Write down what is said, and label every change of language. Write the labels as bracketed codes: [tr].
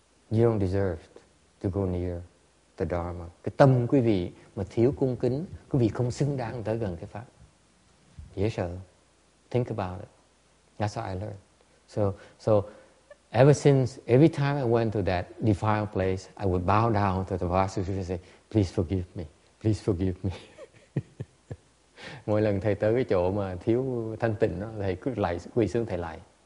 [en] You don't deserve to go near the Dharma. [vi] Cái tâm quý vị mà thiếu cung kính, quý vị không xứng đáng tới gần cái Pháp. Dễ sợ. [en] Think about it. That's how I learned. So ever since, every time I went to that defiled place, I would bow down to the Vasudeva and say, please forgive me, please forgive me. [vi] Mỗi lần thầy tới cái chỗ mà thiếu thanh tịnh đó, thầy cứ lại, quỳ xuống thầy lại.